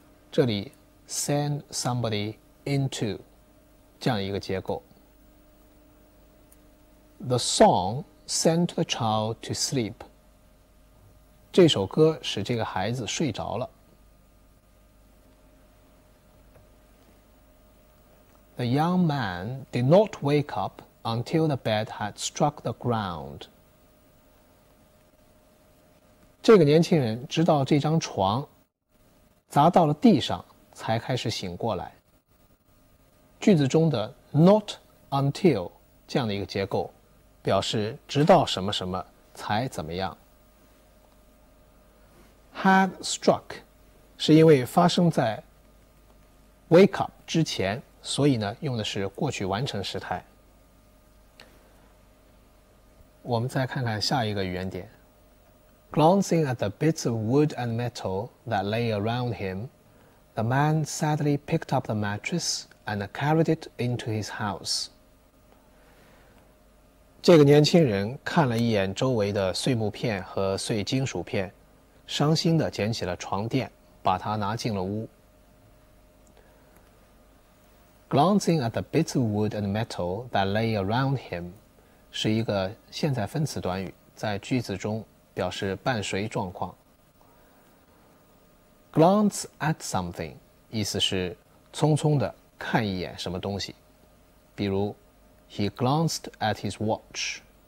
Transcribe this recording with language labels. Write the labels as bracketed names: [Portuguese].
[Chinese] 这里 [English] send somebody into [Chinese] 这样一个结构。 [English] The song sent the child to sleep. [Chinese] 这首歌使这个孩子睡着了。 [English] The young man did not wake up until the bed had struck the ground. [Chinese] 这个年轻人直到这张床砸到了地上才开始醒过来。句子中的 not until 这样的一个结构表示直到什么什么才怎么样。 had struck 是因为发生在 wake up 之前，所以呢用的是过去完成时态。我们再看看下一个语言点。 [English] Glancing at the bits of wood and metal that lay around him, the man sadly picked up the mattress and carried it into his house. [Chinese] 这个年轻人看了一眼周围的碎木片和碎金属片，伤心地捡起了床垫，把它拿进了屋。 [English] Glancing at the bits of wood and metal that lay around him [Chinese] 是一个现在分词短语，在句子中表示伴随状况。 [English] Glance at something [Chinese] 意思是匆匆地看一眼什么东西，比如 [English] He glanced at his watch